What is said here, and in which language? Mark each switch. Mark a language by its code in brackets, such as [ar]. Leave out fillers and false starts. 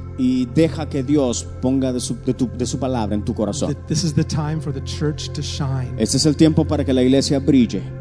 [es] Y deja que Dios ponga de su palabra en tu corazón. [en] This is the time for the church to shine. [es] Este es el tiempo para que la iglesia brille.